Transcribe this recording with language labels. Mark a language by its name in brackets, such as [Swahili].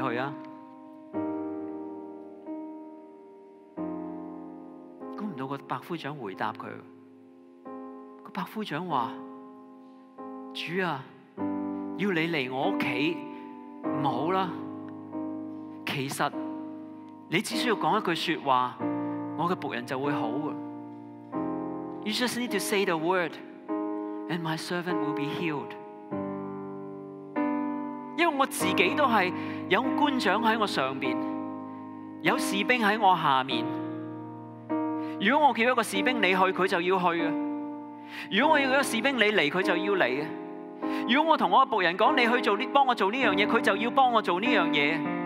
[Chinese] 想不到个百夫长回答他，个百夫长说，主啊，要你来我家不好了，其实你只需要说一句说话，我的仆人就会好。 [English] You just need to say the word and my servant will be healed。 [Chinese] 因为我自己都是有官长在我上面，有士兵在我下面，如果我叫一个士兵你去，他就要去；如果我叫一个士兵你来，他就要来；如果我跟我的仆人说你去做，帮我做这件事，他就要帮我做这件事。